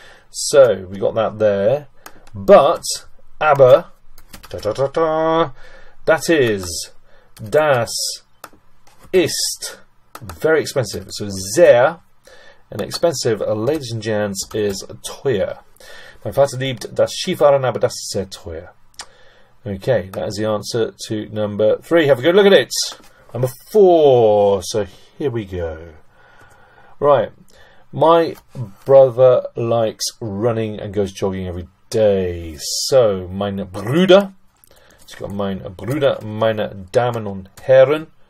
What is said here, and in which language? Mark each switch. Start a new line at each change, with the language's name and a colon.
English: So we got that there, but aber. Da, da, da, da. That is,
German: das ist
English: very expensive.
German: So sehr,
English: and expensive, ladies and gents, is teuer.
German: Mein Vater liebt das Skifahren, aber das ist sehr teuer.
English: Okay, that is the answer to number three. Have a good look at it. Number four. So here we go. Right, my brother likes running and goes jogging every day.
German: So mein Bruder.
English: So you've got
German: mein Bruder, meine Damen und Herren.